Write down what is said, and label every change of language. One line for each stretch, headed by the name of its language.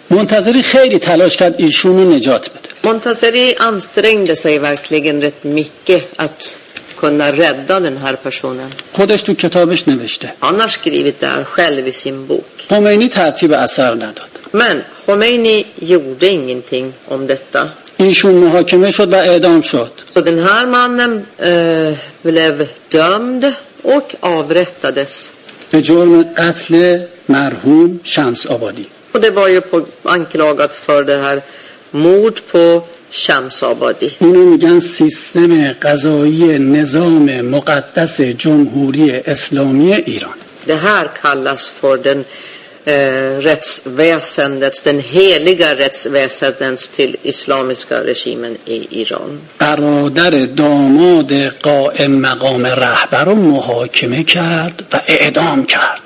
Persian: Montazeri خیلی تلاش کرد ایشون رو نجات بده.
Swedish: Montazeri ansträngde sig verkligen rätt mycket att kunna rädda den här personen.
Persian: خودش تو کتابش نوشته.
Swedish: Han har skrivit det här själv i sin bok.
Persian: Khomeini ترتیب اثر نداد.
Swedish: Men Khomeini gjorde ingenting om detta.
Persian: ایشون محاکمه شد و اعدام شد.
Swedish: Så den här mannen blev dömd och avrättades.
Persian: به جرم قتل مرحوم شمس آبادی.
Swedish: Och det var ju på, anklagat för det här mord på Shams Abadi.
Persian: اینو میگن سیستم قضایی نظام مقدس جمهوری اسلامی ایران.
Swedish: Det här kallas för den rättsväsendets, den heliga rättsväsendets till islamiska regimen i Iran.
Persian: برادر داماد قائم مقام رهبر رو محاکمه کرد و اعدام کرد.